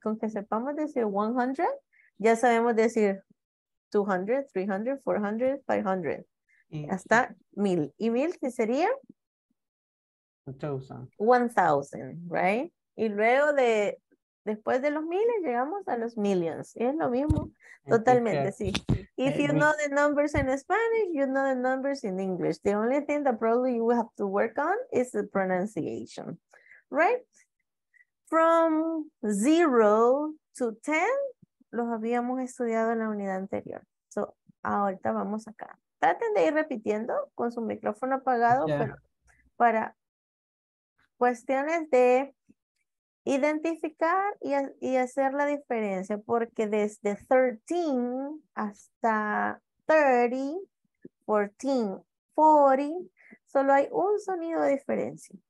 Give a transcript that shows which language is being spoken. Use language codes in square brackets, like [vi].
[es] Con que sepamos decir 100, ya sabemos decir 200, 300, 400, 500. Hasta 1,000. ¿Y 1,000 qué sería? 1,000. [en] 1,000, right? [es] Y luego de, después de los miles, llegamos a los millions. Y es lo mismo. Totalmente, sí. [en] If you know the numbers in Spanish, you know the numbers in English. The only thing that probably you will have to work on is the pronunciation, right? From 0 to 10, [es] los habíamos estudiado en la unidad anterior. So, ahorita vamos acá. Traten de ir repitiendo con su micrófono apagado, yeah. Pero para cuestiones de identificar y hacer la diferencia, porque desde 13 hasta 30, 14, 40, solo hay un sonido de diferencia.